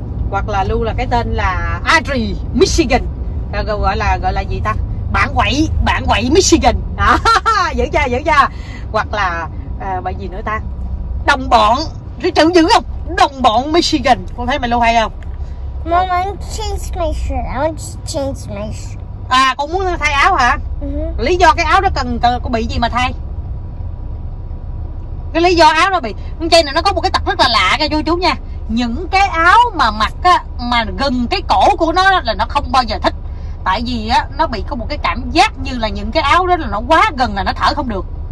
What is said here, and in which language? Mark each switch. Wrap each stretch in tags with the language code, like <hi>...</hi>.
<vi>Hoặc là luôn là cái tên là Adri Michigan. Gọi là gì ta? Bạn quậy Michigan. Đó, dữ chưa? Hoặc là bạn gì nữa ta? Đồng bọn, cái chữ dữ không? Đồng bọn Michigan. Con thấy mày luôn hay không?</vi> <en>Mom, I want to change my shirt.</en> <vi>À, con muốn thay áo hả? Uh-huh. Lý do cái áo đó cần có bị gì mà thay? Cái lý do áo đó bị, con trai này nó có một cái tật rất là lạ nha vô chú nha. Những cái áo mà mặc á, mà gần cái cổ của nó là nó không bao giờ thích. Tại vì á, nó bị có một cái cảm giác như là những cái áo đó là nó quá gần là nó thở không được.</vi>